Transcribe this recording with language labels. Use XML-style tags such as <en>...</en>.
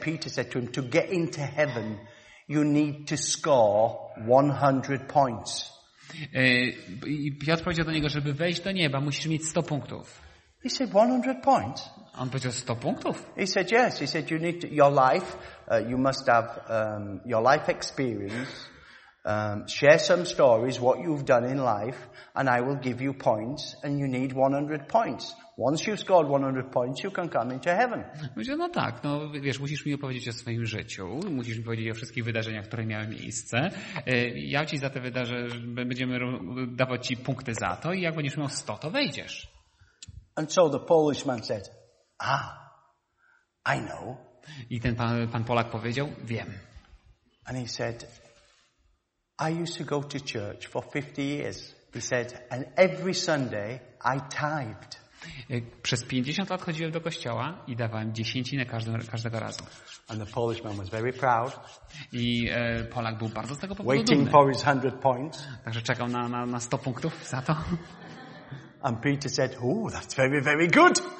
<en>Peter said to him, to get into heaven, you need to score 100 points.</en> <pl>I Piotr powiedział do niego, żeby wejść do nieba, musisz mieć 100 punktów.</pl> <en>He said, 100 points?</en> <pl>On powiedział 100 punktów.</pl> <en>He said, yes. He said, you need to, your life, you must have your life experience, share some stories, what you've done in life, and I will give you points, and you need 100 points. Once you've scored 100 points, you can come into heaven.</en> <pl>Powiedział, no tak, no wiesz, musisz mi opowiedzieć o swoim życiu, musisz mi powiedzieć o wszystkich wydarzeniach, które miały miejsce. Ja ci za te wydarzenia, będziemy dawać ci punkty za to i jak będziesz miał 100, to wejdziesz.</pl> <en>And so the Polish man said, ah, I know.</en> <pl>I ten pan Polak powiedział, wiem.</pl> <en>And he said, I used to go to church for 50 years. He said, and every Sunday I tithed.</en> <pl>Przez 50 lat chodziłem do kościoła i dawałem dziesięcinę każdego razu.</pl> <en>And the Polish man was very proud.</en> <pl>I Polak był bardzo z tego powodu</pl> <en>waiting</en> <pl>dumny.</pl> <en>For his 100 points.</en> <pl>Także czekał na 100 punktów za to.</pl> <en>And Peter said, "Oh, that's very, very good."</en>